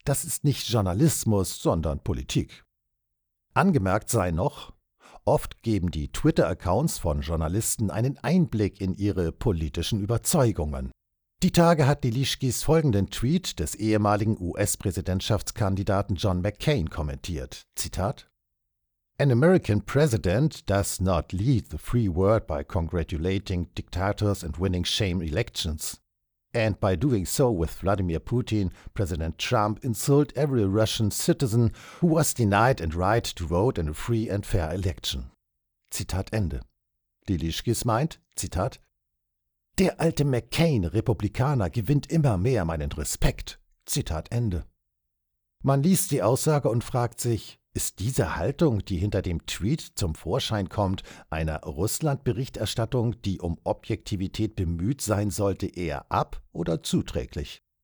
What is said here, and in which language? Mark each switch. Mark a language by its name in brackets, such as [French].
[German] Das ist nicht Journalismus, sondern Politik. Angemerkt sei noch, oft geben die Twitter-Accounts von Journalisten einen Einblick in ihre politischen Überzeugungen. Die Tage hat Lilischkis folgenden Tweet des ehemaligen US-Präsidentschaftskandidaten John McCain kommentiert. Zitat: [English] An American president does not lead the free world by congratulating dictators and winning shame elections. And by doing so with Vladimir Putin, President Trump insult every Russian citizen who was denied and right to vote in a free and fair election. [German] Zitat Ende. Lilischkis meint, Zitat: Der alte McCain, Republikaner, gewinnt immer mehr meinen Respekt. Zitat Ende. Man liest die Aussage und fragt sich, ist diese Haltung, die hinter dem Tweet zum Vorschein kommt, einer Russland-Berichterstattung, die um Objektivität bemüht sein sollte, eher ab- oder zuträglich?